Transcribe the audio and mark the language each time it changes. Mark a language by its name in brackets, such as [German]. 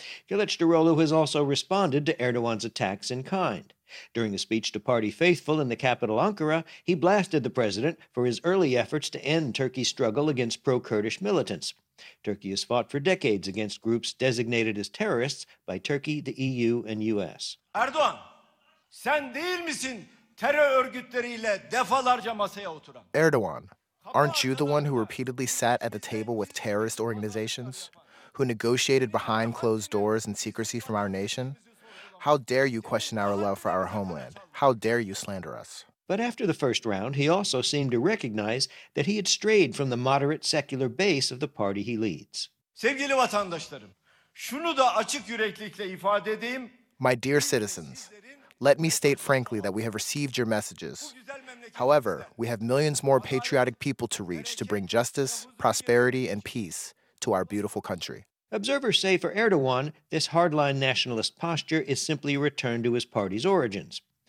[English] Kılıçdaroğlu has also responded to Erdogan's attacks in kind. During a speech to party faithful in the capital Ankara, he blasted the president for his early efforts to end Turkey's struggle against pro-Kurdish militants. Turkey has fought for decades against groups designated as terrorists by Turkey, the EU, and U.S. [Turkish] Erdogan, sen değil misin terör örgütleriyle defalarca masaya oturan? [English] Erdogan, aren't you the one who repeatedly sat at the table with terrorist organizations, who negotiated behind closed doors in secrecy from our nation? How dare you question our love for our homeland? How dare you slander us? But after the first round, he also seemed to recognize that he had strayed from the moderate secular base of the party he leads. [Turkish] Sevgili vatandaşlarım, şunu da açık yüreklikle ifade edeyim. [English] My dear citizens, let me state frankly that we have received your messages. However, we have millions more patriotic people to reach to bring justice, prosperity, and peace to our beautiful country. Observers say for Erdogan, this hardline nationalist posture is simply a return to his party's origins.